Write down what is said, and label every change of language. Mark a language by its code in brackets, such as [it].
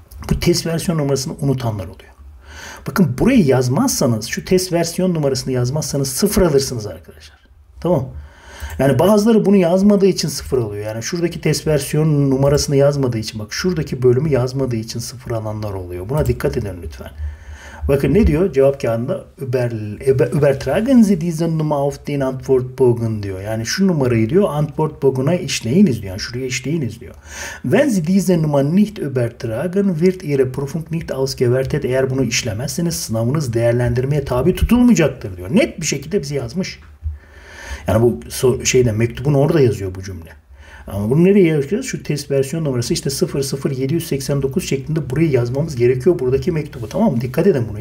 [tr] Bu test versiyon numarasını unutanlar oluyor. Bakın burayı yazmazsanız, şu test versiyon numarasını yazmazsanız sıfır alırsınız arkadaşlar. Tamam. Yani bazıları bunu yazmadığı için sıfır alıyor. Yani şuradaki test versiyonun numarasını yazmadığı için, bak şuradaki bölümü yazmadığı için sıfır alanlar oluyor. Buna dikkat edin lütfen. Bakın ne diyor cevap kağıdında? [de] Übertragen Sie diese Nummer auf den Antwortbogen diyor. [tr] Yani şu numarayı diyor Antwortbogen'a işleyiniz diyor. Yani şuraya işleyiniz diyor. [de] Wenn Sie diese Nummer nicht übertragen, wird Ihre Prüfung nicht ausgewertet. [tr] Eğer bunu işlemezseniz sınavınız değerlendirmeye tabi tutulmayacaktır diyor. Net bir şekilde bize yazmış. Yani bu şeyde mektubun orada yazıyor bu cümle. Ama bunu nereye yazacağız? Şu test versiyon numarası işte 00789 şeklinde burayı yazmamız gerekiyor buradaki mektubu. Tamam mı? Dikkat edin bunu.